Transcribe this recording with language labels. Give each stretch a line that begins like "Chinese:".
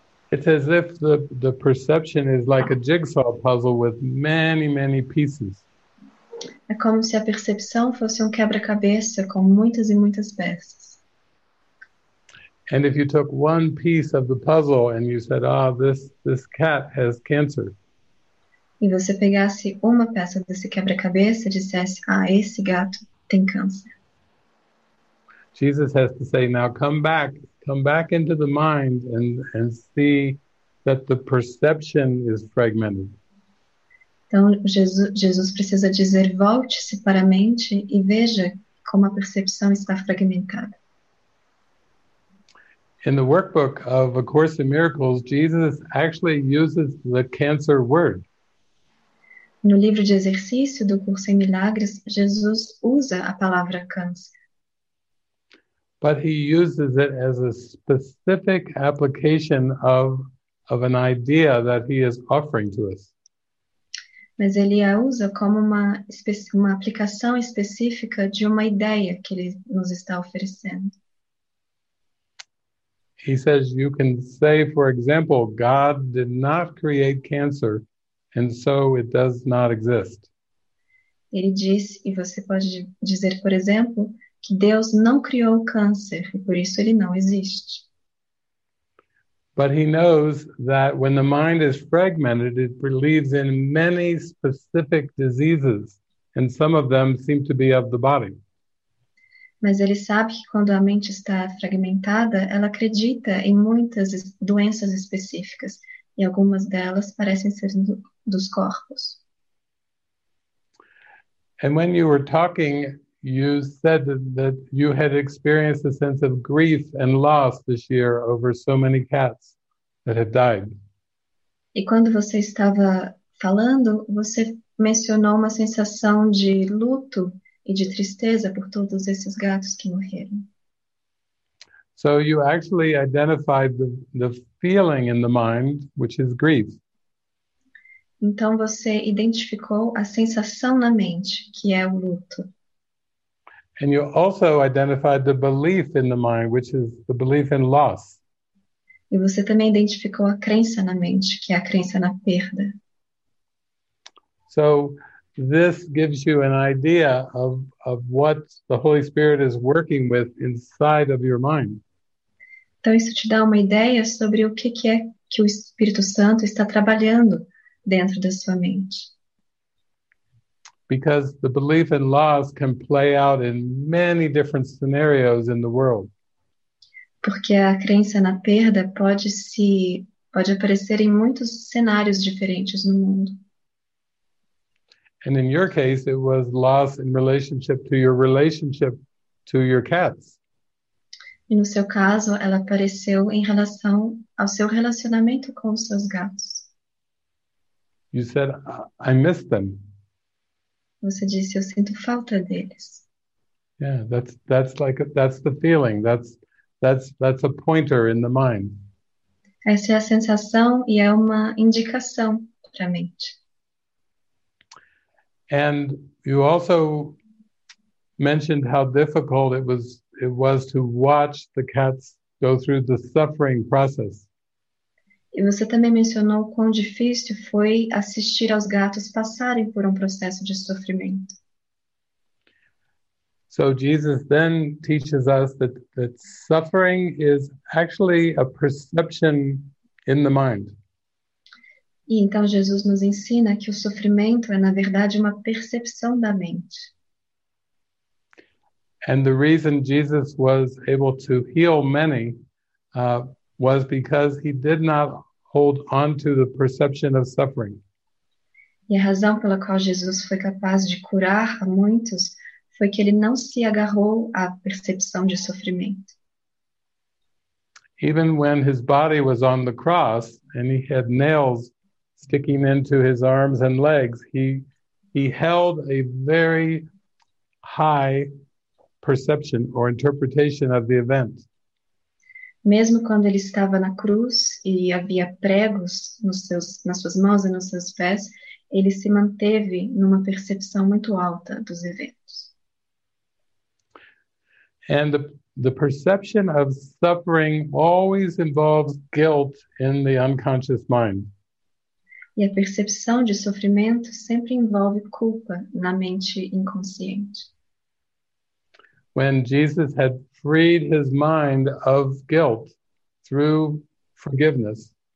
English: It's as if the perception is like a jigsaw puzzle with many, many pieces.
Portuguese: É como se a percepção fosse um quebra-cabeça com muitas e muitas peças.
English: And if you took one piece of the puzzle and you said, ah, this cat has cancer.
Portuguese: E você pegasse uma peça desse quebra-cabeça e dissesse, ah, esse gato tem câncer.
English: Jesus has to say, now come back into the mind and see that the perception is fragmented.
Portuguese: Então, Jesus precisa dizer, volte-se para a mente e veja como a percepção está fragmentada.
English: In the workbook of A Course in Miracles, Jesus actually uses the cancer word.
Portuguese: No livro de exercício do Curso em Milagres, Jesus usa a palavra câncer.
English: But he uses it as a specific application of an idea that he is offering to us.
Portuguese: Mas ele a usa como uma aplicação específica de uma ideia que ele nos está oferecendo.
English: He says, you can say, for example, God did not create cancer, and so it does not exist.
Portuguese: Ele diz, e você pode dizer, por exemplo, que Deus não criou o câncer, e por isso ele não existe.
English: But he knows that when the mind is fragmented, it believes in many specific diseases, and some of them seem to be of the body.
Portuguese: Mas ele sabe que quando a mente está fragmentada, ela acredita em muitas doenças específicas, e algumas delas parecem ser dos corpos.
English: And when you were talking, you said that you had experienced a sense of grief and loss this year over so many cats that have died.
Portuguese: E quando você estava falando, você mencionou uma sensação de luto e de tristeza por todos esses gatos que morreram.
English: So you actually identified the feeling in the mind, which is grief.
Portuguese: Então você identificou a sensação na mente, que é o luto.
English: And you also identified the belief in the mind, which is the belief in loss.
Portuguese: E você também identificou a crença na mente, que é a crença na perda.
English: So this gives you an idea of what the Holy Spirit is working with inside of your mind.
Portuguese: Então isso te dá uma ideia sobre o que é que o Espírito Santo está trabalhando dentro da sua mente.
English: Because the belief in loss can play out in many different scenarios in the world.
Portuguese: Porque a crença na perda pode aparecer em muitos cenários diferentes no mundo.
English: And in your case, it was loss in relationship to your cats.
Portuguese: E no seu caso, ela apareceu em relação ao seu relacionamento com os seus gatos.
English: You said, I miss them.
Portuguese: Você disse, eu sinto falta deles.
English: Yeah, that's the feeling. That's a pointer in the mind.
Portuguese: Essa é a sensação e é uma indicação para a mente.
English: And you also mentioned how difficult it was to watch the cats go through the suffering process.
Portuguese: E você também mencionou quão difícil foi assistir aos gatos passarem por um processo de sofrimento.
English: So Jesus then teaches us that suffering is actually a perception in the mind.
Portuguese: E então Jesus nos ensina que o sofrimento é, na verdade, uma percepção da mente.
English: And the reason Jesus was able to heal many was because he did not hold on to the perception of suffering.
Portuguese: E a razão pela qual Jesus foi capaz de curar a muitos foi que ele não se agarrou à percepção de sofrimento.
English: Even when his body was on the cross and he had nails sticking into his arms and legs, he held a very high perception or interpretation of the event.
Portuguese: Mesmo quando ele estava na cruz e havia pregos nas suas mãos e nos seus pés, ele se manteve numa percepção muito alta dos eventos.
English: And the perception of suffering always involves guilt in the unconscious mind.
Portuguese: E a percepção de sofrimento sempre envolve culpa na mente inconsciente.
English: When Jesus had freed his mind of guilt through forgiveness.